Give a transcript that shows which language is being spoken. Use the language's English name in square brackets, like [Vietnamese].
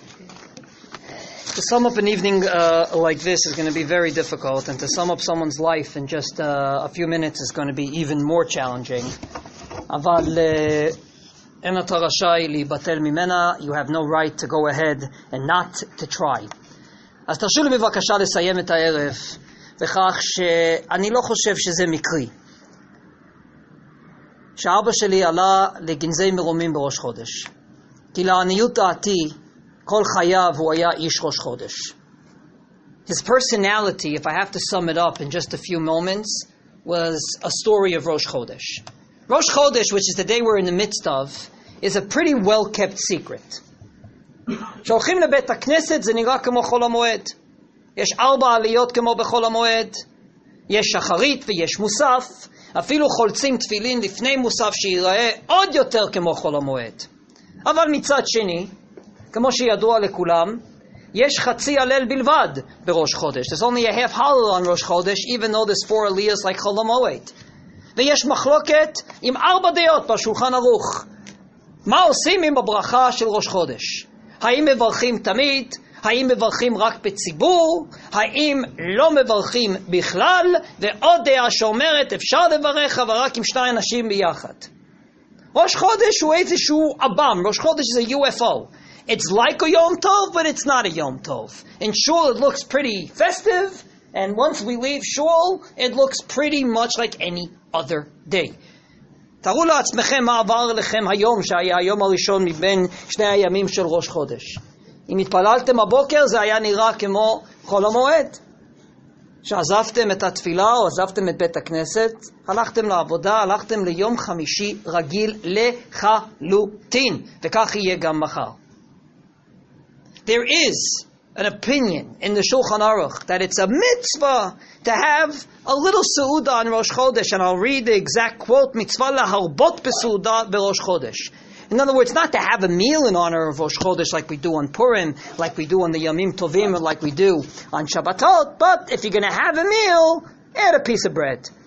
[English] To sum up an evening like this is going to be very difficult, and to sum up someone's life in just a few minutes is going to be even more challenging. [Hebrew] אבל אין אתה רשאי להיבטל ממנה, [English] you have no right to go ahead and not to try. [Hebrew] אז תרשו לי בבקשה לסיים את הערב בכך שאני לא חושב שזה מקרי שאבא שלי עלה לגנזי מרומים בראש חודש, כי לעניות דעתי כל חייו הוא היה איש ראש חודש. [English] His personality, if I have to sum it up in just a few moments, was a story of Rosh Chodesh. Rosh Chodesh, which is the day we're in the midst of, is a pretty well-kept secret. [Hebrew] כשהולכים לבית הכנסת, זה נראה כמו חול המועד. יש ארבע עליות כמו בחול המועד. יש שחרית ויש מוסף. אפילו חולצים תפילין לפני מוסף שיראה עוד יותר כמו חול המועד. אבל מצד שני, כמו שידוע לכולם, יש חצי הלל בלבד בראש חודש. [English] There's only a half hallel on Rosh Chodesh, even though there's four aliyahs like חול המועד. [Hebrew] ויש מחלוקת עם ארבע דעות בשולחן ערוך. מה עושים עם הברכה של ראש חודש? האם מברכים תמיד? האם מברכים רק בציבור? האם לא מברכים בכלל? ועוד דעה שאומרת אפשר לברך אבל רק עם שני אנשים ביחד. ראש חודש הוא איזשהו אבם. ראש חודש זה UFO. [English] It's like a Yom Tov, but it's not a Yom Tov. In Shul it looks pretty festive, and once we leave Shul, it looks pretty much like any other day. [Hebrew] תראו לעצמכם מה עבר לכם היום, שהיה היום הראשון מבין שני הימים של ראש חודש. אם התפללתם הבוקר, זה היה נראה כמו חול המועד. שעזבתם את התפילה או עזבתם את בית הכנסת, הלכתם לעבודה, הלכתם ליום חמישי רגיל לחלוטין. וכך יהיה גם מחר. [English] There is an opinion in the Shulchan Aruch that it's a mitzvah to have a little seuda on Rosh Chodesh, and I'll read the exact quote, [Hebrew] mitzvah laharbot b'seuda b'Rosh Chodesh. [English] In other words, not to have a meal in honor of Rosh Chodesh like we do on Purim, like we do on the Yamim Tovim, or like we do on Shabbatot, but if you're going to have a meal, add a piece of bread.